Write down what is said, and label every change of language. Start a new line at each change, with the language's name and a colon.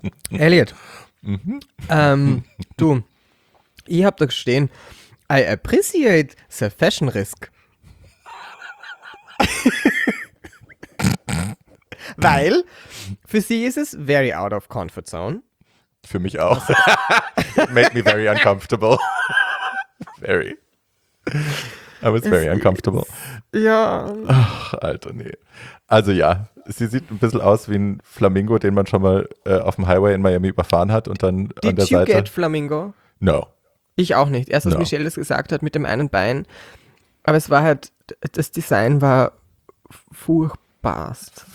English: Elliot,
German: du, ich hab da gestehen,
English: I appreciate the fashion risk.
German: Weil für sie ist es
English: very out of comfort zone.
German: Für mich auch.
English: It made me very uncomfortable. Very. I was very uncomfortable.
German: Ja. Ach, Alter, nee. Also ja, sie sieht ein bisschen aus wie ein Flamingo, den man schon mal auf dem Highway in Miami überfahren hat und dann
English: did
German: an der Seite.
English: Did you get Flamingo? No.
German: Ich auch nicht. Erst als
English: no.
German: Michelle das gesagt hat mit dem einen Bein. Aber es war halt, das Design war furchtbarst.